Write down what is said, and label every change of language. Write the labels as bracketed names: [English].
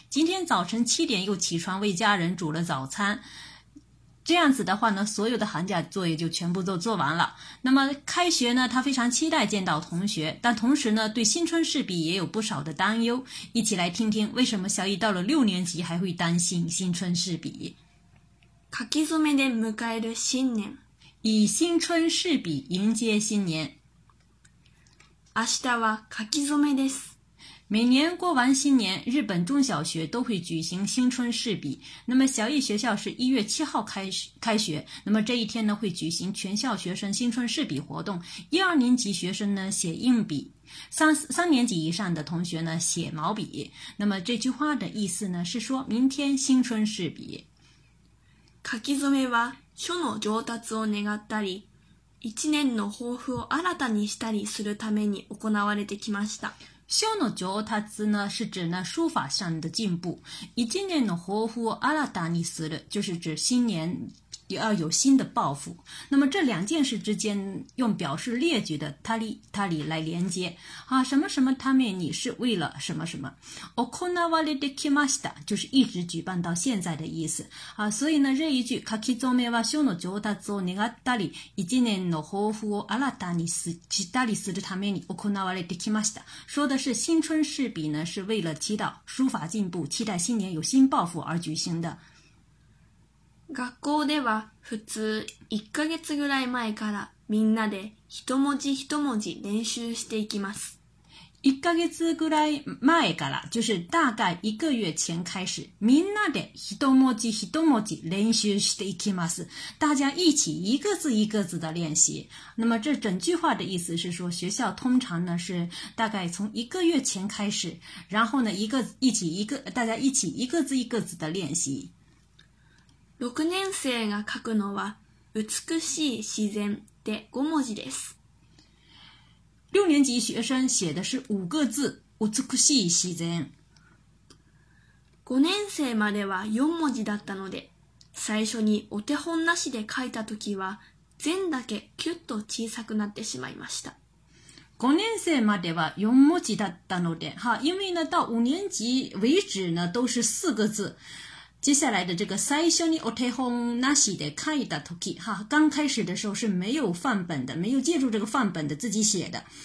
[Chinese] 今天早晨七点又起床为家人煮了早餐。这样子的话呢，所有的寒假作业就全部都做完了。那么开学呢，他非常期待见到同学，但同时呢，对新春试笔也有不少的担忧。一起来听听，为什么小易到了六年级还会担心新春试笔。 [Japanese] 書き初めで迎える新年。 [Chinese] 以新春试笔迎接新年。 [Japanese] 明日は書き初めです。 [Chinese] 每年过完新年，日本中小学都会举行新春试笔。那么小易学校是1月7号开学，那么这一天呢会举行全校学生新春试笔活动。一二年级学生呢写硬笔，三年级以上的同学呢写毛笔。那么这句话的意思呢是说明天新春试笔。 [Japanese] 書き初めは書の上達を願ったり、1年の抱負を新たにしたりするために行われてきました。書の上達 [Chinese] 呢是指呢书法上的进步。 [Japanese] 一年の抱負を新たにする [Chinese] 就是指新年要有新的抱负。那么这两件事之间用表示列举的たり来连接。啊，什么什么ために是为了什么什么。 [Japanese] 行われてきました [Chinese] 就是一直举办到现在的意思。啊，所以呢这一句 [Japanese] 書き初めは書の上達を願ったり、一年の抱負を新たにしたりするために行われてきました。 [Chinese] 说的是新春试笔呢是为了祈祷书法进步，期待新年有新抱负而举行的。 [Japanese] 学校では普通1ヶ月ぐらい前からみんなで一文字一文字練習していきます。 1ヶ月ぐらい前から、 [Chinese] 就是大概1ヶ月前開始、 [Japanese] みんなで一文字一文字練習していきます。 [Chinese] 大家一起一个字一个字的练习。那么这整句话的意思是说，学校通常呢是大概从一个月前开始，然后呢大家一起一个字一个字的练习。 [Japanese] 6年生が書くのは美しい自然で5文字です。 [Chinese] 6年级学生写的是5个字、 [Japanese] 美しい自然。 5年生までは4文字だったので、最初にお手本なしで書いたときは、全だけキュッと小さくなってしまいました。 5年生までは4文字だったので、 [Chinese] 因为呢到5年级为止呢都是4个字。接下来的这个 [Japanese] 最初にお手本なしで書いた時， [Chinese] 哈，刚开始的时候是没有范本的，没有借助这个范本的自己写的。